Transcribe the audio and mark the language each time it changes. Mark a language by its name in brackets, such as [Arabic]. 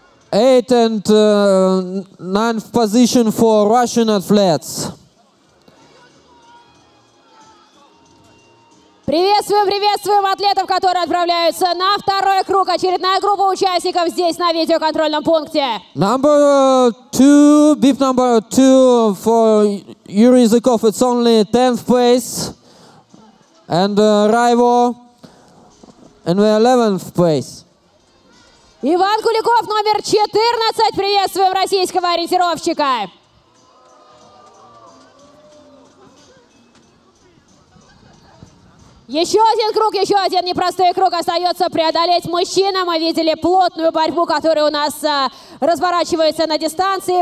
[English] Eighth and ninth position for Russian athletes. [Russian] Приветствуем атлетов, которые отправляются на второй круг. Очередная группа участников здесь на видеоконтрольном пункте. [English] Number two, beef number two for Yuri Zykov. It's only 10th place. And Raivo in the 11th place. [Russian] Иван Куликов, номер 14. Приветствуем российского ориентировщика. Еще один круг, еще один непростой круг остается преодолеть мужчинам. Мы видели плотную борьбу, которая у нас разворачивается на дистанции.